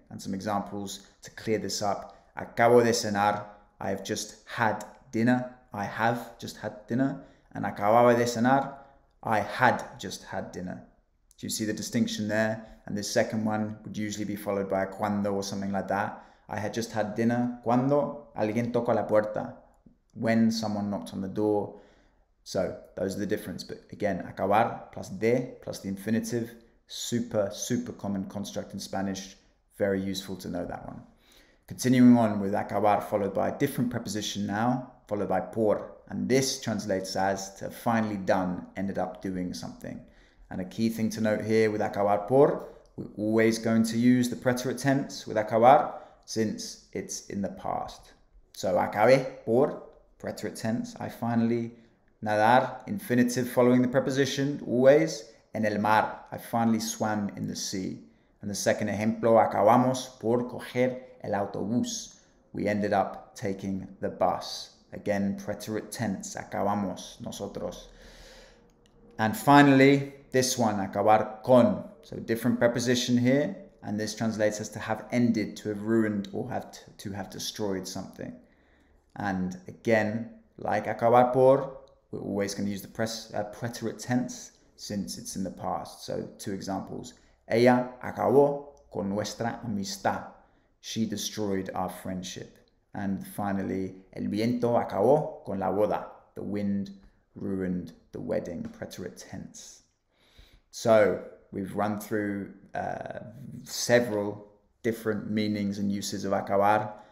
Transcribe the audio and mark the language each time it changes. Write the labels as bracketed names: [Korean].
[English] And some examples to clear this up. [Spanish] Acabo de cenar, [English] I have just had dinner. I have just had dinner. And [Spanish] acababa de cenar, [English] I had just had dinner. Do you see the distinction there? And the second one would usually be followed by a cuando or something like that. I had just had dinner. [Spanish] Cuando alguien tocó la puerta. [English] When someone knocked on the door. So those are the difference. But again, acabar plus de plus the infinitive. Super, super common construct in Spanish. Very useful to know that one. Continuing on with acabar followed by a different preposition now, followed by por. And this translates as to finally done, ended up doing something. And a key thing to note here with acabar por, we're always going to use the preterite tense with acabar since it's in the past. So acabé por, preterite tense, I finally. Nadar, infinitive following the preposition, always. [Spanish] En el mar, [English] I finally swam in the sea. And the second ejemplo, [Spanish] acabamos por coger el autobús. [English] We ended up taking the bus. Again, preterite tense, acabamos, nosotros. And finally, this one, acabar con. So different preposition here, and this translates as to have ended, to have ruined, or to have destroyed something. And again, like acabar por, we're always going to use the preterite tense since it's in the past. So two examples. [Spanish] Ella acabó con nuestra amistad. [English] She destroyed our friendship. And finally, [Spanish] el viento acabó con la boda. [English] The wind ruined the wedding, preterite tense. So we've run through several different meanings and uses of acabar.